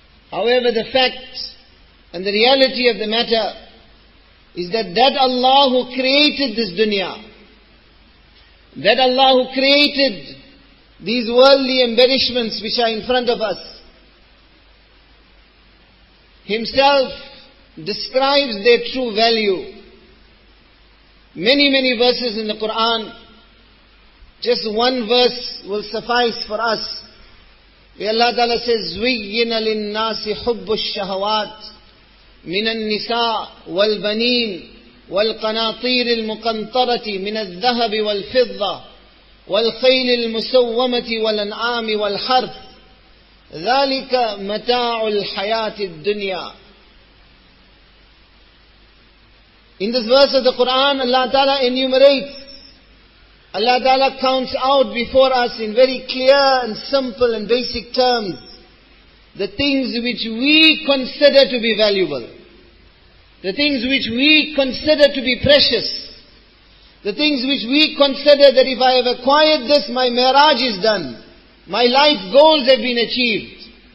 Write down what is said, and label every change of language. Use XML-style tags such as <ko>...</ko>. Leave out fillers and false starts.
<en>However, the fact and the reality of the matter is that that Allah who created this dunya, that Allah who created these worldly embellishments which are in front of us, Himself describes their true value. Many, many verses in the Quran. Just one verse will suffice for us.</en> <ar>Where Allah Ta'ala says, زُوِيِّنَ لِلنَّاسِ حُبُّ الشَّهَوَاتِ مِنَ النِّسَاءِ وَالْبَنِينَ وَالْقَنَاطِيرِ الْمُقَنْطَرَةِ مِنَ الذَّهَبِ وَالْفِضَّةِ وَالْخَيْلِ الْمُسَوَّمَةِ وَالْأَنْعَامِ وَالْحَرْثِ ذَلِكَ مَتَاعُ الْحَيَاةِ الدُّنْيَا.</ar> <en>In this verse of the Quran, Allah Ta'ala enumerates, Allah Ta'ala counts out before us in very clear and simple and basic terms the things which we consider to be valuable, the things which we consider to be precious, the things which we consider that if I have acquired this, my miraj is done, my life goals have been achieved.</en>